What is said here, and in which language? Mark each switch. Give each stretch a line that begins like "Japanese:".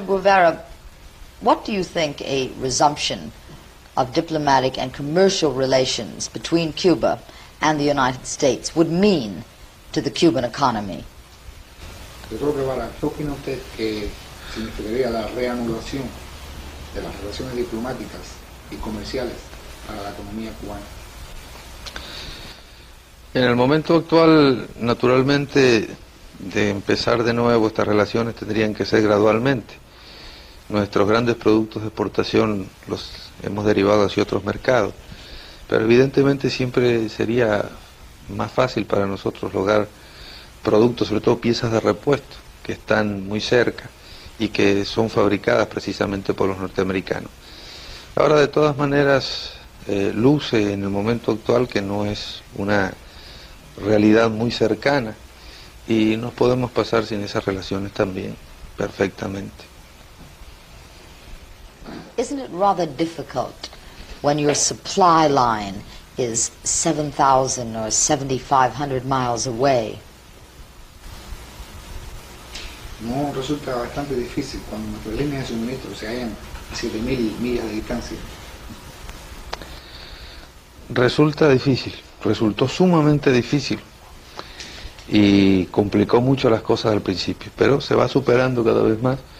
English: Guevara, what do you think a resumption of diplomatic and commercial relations between Cuba and the United States would mean to the Cuban economy?
Spanish: Doctor Guevara, ¿qué opina usted que significaría la reanudación de las relaciones diplomáticas y comerciales para la economía cubana? En el momento actual, naturalmente, de empezar de nuevo estas relaciones tendrían que ser gradualmente. Nuestros grandes productos de exportación los hemos derivado hacia otros mercados, pero evidentemente siempre sería más fácil para nosotros lograr productos, sobre todo piezas de repuesto, que están muy cerca y que son fabricadas precisamente por los norteamericanos. Ahora, de todas maneras, luce en el momento actual que no es una realidad muy cercana y nos podemos pasar sin esas relaciones también perfectamente.
English: Isn't it rather difficult when your supply line is 7,000 or 7,500 miles away?
Spanish: No resulta bastante difícil cuando nuestras líneas de suministro se hallan a 7,000 millas de distancia. Resulta difícil, resultó sumamente difícil y complicó mucho las cosas al principio, pero se va superando cada vez más.